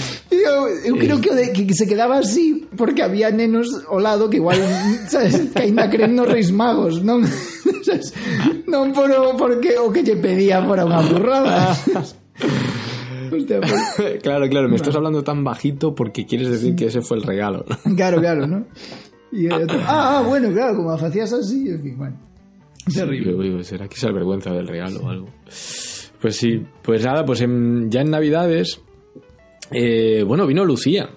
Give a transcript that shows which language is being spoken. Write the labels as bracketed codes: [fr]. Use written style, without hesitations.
[es] Yo creo que se quedaba así porque había [gl] nenos o lado [es] que igual, ¿sabes? [gl] Que ainda creen nos reis magos, ¿no? Non por porque o que lle pedía fora unha burrada. [es] Hostia, pues... Claro, me estás hablando tan bajito porque quieres decir que ese fue el regalo. Claro, ¿no? Y otro, bueno, claro, como facías así, en fin, bueno. Terrible. Sí, será que es la vergüenza del regalo o algo. Pues sí, pues nada, pues ya en Navidades, vino Lucía.